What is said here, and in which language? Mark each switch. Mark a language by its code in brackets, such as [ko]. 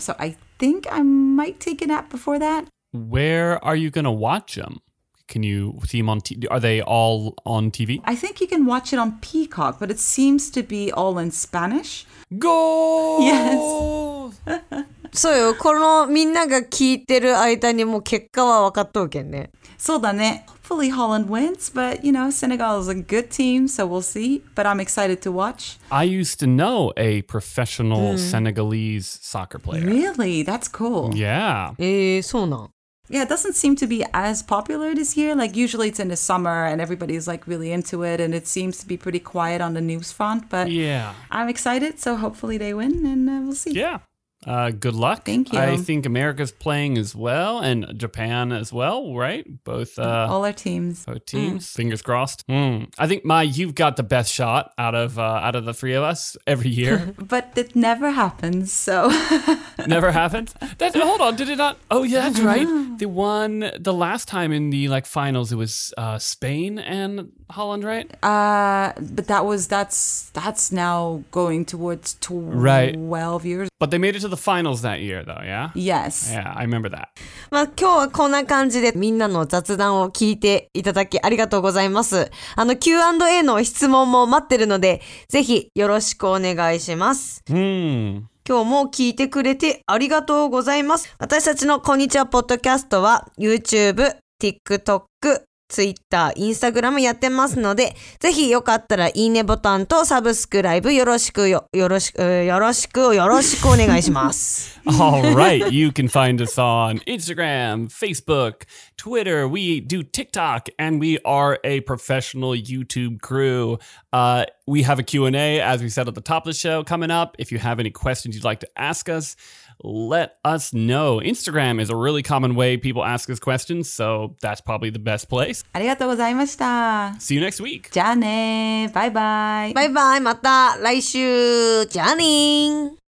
[en] So I think I might take a nap before that. Where are you going to watch them? Can you see them on are they all on TV? I think you can watch it on Peacock, but it seems to be all in Spanish. Goal! Yes! [ja] そうよ、このみんなが聞いてる間にもう結果は分かっとうけんね。そうだね。 [en] Hopefully Holland wins, but you know, Senegal is a good team, so we'll see. But I'm excited to watch. I used to know a professional Senegalese soccer player. Really? That's cool. Yeah. [ja] そうなん。 [en] Yeah, it doesn't seem to be as popular this year. Like, usually it's in the summer and everybody's, like, really into it and it seems to be pretty quiet on the news front. But yeah, I'm excited, so hopefully they win and we'll see. Yeah. Good luck. Thank you. I think America's playing as well and Japan as well, right? Both. All our teams. Both teams. Mm. Fingers crossed. Mm. I think, Mai, you've got the best shot out of the three of us every year. But it never happens, so. Never happens? That, hold on. Did it not? Oh, yeah, that's right. The one, the last time in the like finals, it was Spain and Holland, right? But that was, that's now going towards 12 right. years. But they made it to the finals that year, though, yeah? Yes. Yeah, I remember that. [ja] まあ、今日はこんな感じでみんなの雑談を聞いていただきありがとうございます。あの、Q&A の質問も待ってるので、ぜひよろしくお願いします。今日も聞いてくれてありがとうございます。私たちのこんにちはポッドキャストは、YouTube、TikTok、Twitter、Instagram やってますので、ぜひよかったらいいねボタンとサブスクライブよろしくよろしくお願いします。 [en] All right, you can find us on Instagram, Facebook, Twitter, we do TikTok, and we are a professional YouTube crew. We have a Q&A, as we said at the top of the show, coming up. If you have any questions you'd like to ask us, let us know. Instagram is a really common way people ask us questions, so that's probably the best place. [ja] ありがとうございました。 [en] See you next week. [ja] じゃあね。バイバイ。バイバイ。また来週。じゃあねー。